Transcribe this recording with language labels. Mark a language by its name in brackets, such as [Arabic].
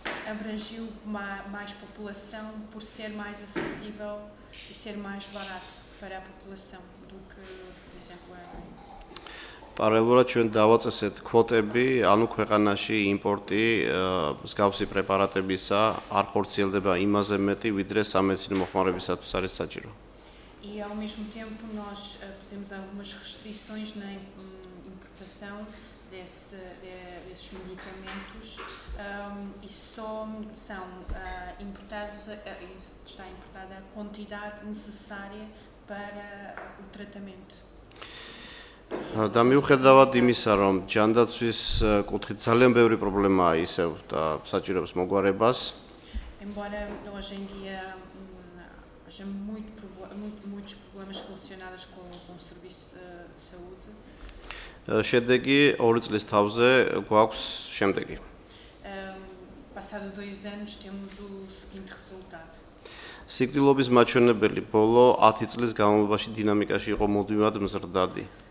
[Portuguese] Abrangiu mais população por ser mais acessível e ser mais barato para a população do que, por exemplo, a [Georgian] პარალელურად ჩვენ დავაწესეთ კვოტები, ანუ ქვეყანაში იმპორტი მსგავსი პრეპარატებისა არ ხორციელდება იმაზე მეტი, ვიდრე სამედიცინო მოხმარებისათვის არის საჭირო. [Portuguese] И ao mesmo tempo nós pusemos algumas restrições na importação desses medicamentos e só são importados está importada a quantidade necessária para o tratamento. [Georgian] Და მიუხედავად იმისა, რომ ჯანდაცვის კუთხით ძალიან ბევრი პრობლემაა ისევ და საჭიროებს მოგვარებას. [Portuguese] Embora hoje em dia haja muitos problemas relacionados com o serviço de saúde. [Georgian] Შედეგი 2 წლის თავზე გვაქვს შემდეგი. [Portuguese] Passado 2 anos temos o seguinte resultado. [Georgian] სიკვდილობის მაჩვენებელი ბოლო 10 წლის განმავლობაში დინამიკაში იყო მოდივად მზრდადი.